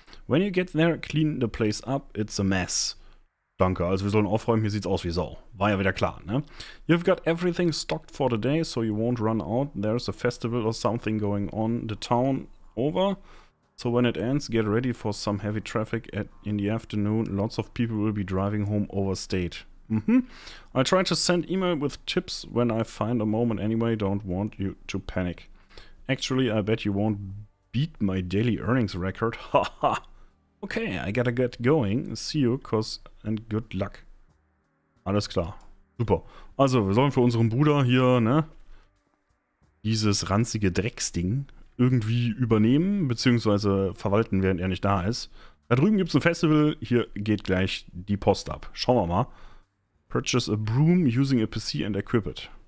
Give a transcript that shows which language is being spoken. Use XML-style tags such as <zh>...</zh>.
<en>When you get there, clean the place up. It's a mess.</en> <de>Danke, also wir sollen aufräumen, hier sieht's aus wie Sau. War ja wieder klar, ne?</de> <en>You've got everything stocked for the day, so you won't run out. There's a festival or something going on the town over. So when it ends, get ready for some heavy traffic in the afternoon. Lots of people will be driving home over state. Mhm. I'll try to send email with tips when I find a moment anyway. Don't want you to panic. Actually, I bet you won't beat my daily earnings record. Haha. Okay, I gotta get going. See you, cause and good luck.</en> <de>Alles klar. Super. Also, wir sollen für unseren Bruder hier, ne, dieses ranzige Drecksding irgendwie übernehmen, beziehungsweise verwalten, während er nicht da ist. Da drüben gibt's ein Festival, hier geht gleich die Post ab. Schauen wir mal.</de> <en>Purchase a broom using a PC and equip it.</en>